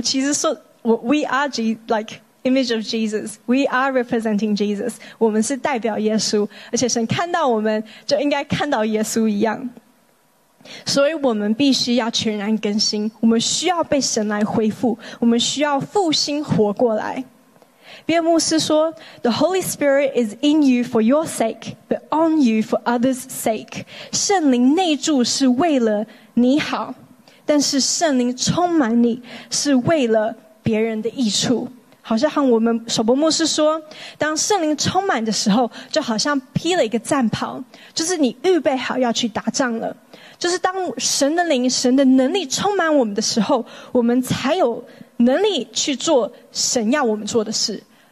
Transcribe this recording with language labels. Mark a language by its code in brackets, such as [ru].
[zh] 其实说 ， [en] We are like image of Jesus， We are representing Jesus， [zh] 我们是代表耶稣，而且神看到我们，就应该看到耶稣一样。所以我们必须要全然更新，我们需要被神来恢复，我们需要复兴活过来。比尔牧师说 [en] ：“The Holy Spirit is in you for your sake, but on you for others' sake。 [zh] 圣灵内住是为了你好，但是圣灵充满你是为了别人的益处。好像我们首伯牧师说，当圣灵充满的时候，就好像披了一个战袍，就是你预备好要去打仗了。就是当神的灵、神的能力充满我们的时候，我们才有能力去做神要我们做的事。”